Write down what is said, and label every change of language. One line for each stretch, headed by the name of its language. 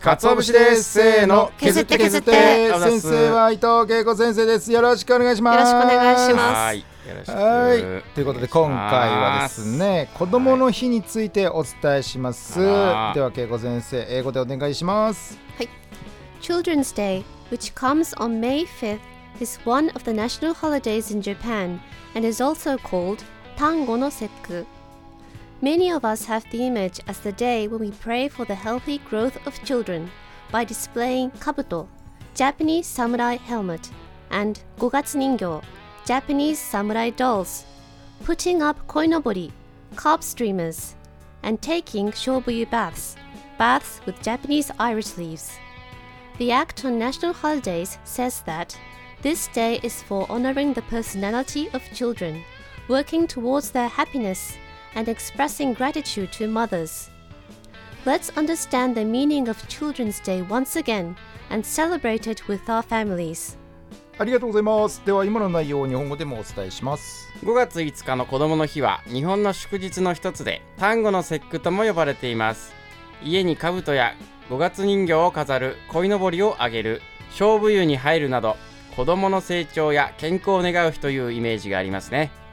Japanese: カツオ節です。せーの、削って削って。先生は伊藤恵子先生です。よろしくお願いします。よろしくお願いします。はい、ということで今回はですね、子どもの日についてお伝えします。はい、では恵子先生、英語でお願いします。はい。
English: Children's Day, which comes on May 5th, is one of the national holidays in Japan and is also called 端午の節句。 Many of us have the image as the day when we pray for the healthy growth of children by displaying kabuto, Japanese samurai helmet, and 五月人形、Japanese samurai dolls, putting up koinobori, carp streamers, and taking shobuyu baths, baths with Japanese iris leaves. The Act on National Holidays says that this day is for honoring the personality of children, working towards their happiness, and expressing gratitude to mothers. Let's understand the meaning of Children's Day once again and celebrate it with our families.
Japanese: ありがとうございます。では今の内容を日本語でもお伝えします。 5月5日の子どもの日は日本の祝日の一つで、端午の節句とも呼ばれています。家に兜や五月人形を飾る、鯉のぼりをあげる、菖蒲湯に入るなど、子どもの成長や健康を願う日というイメージがありますね。